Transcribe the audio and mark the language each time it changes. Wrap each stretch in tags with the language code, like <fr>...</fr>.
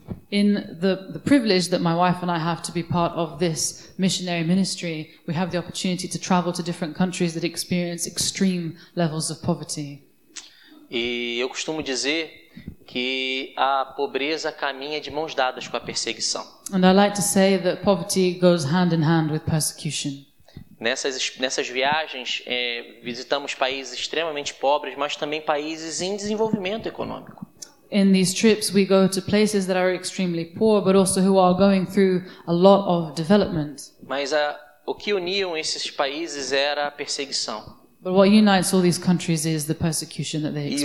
<en>In the privilege that my wife and I have to be part of this missionary ministry, we have the opportunity to travel to different countries that experience extreme levels of poverty.</en> <pt>E eu costumo dizer que a pobreza caminha de mãos dadas com a perseguição.</pt> <en>And I like to say that poverty goes hand in hand with persecution.</en> <pt>Nessas viagens, visitamos países extremamente pobres, mas também países em desenvolvimento econômico.</pt> <en>In these trips, we go to places that are extremely poor, but also who are going through a lot of development.</en> <pt>Mas o que uniam esses países era a perseguição.</pt> <en>But what unites all these countries is the persecution that they experience.</en>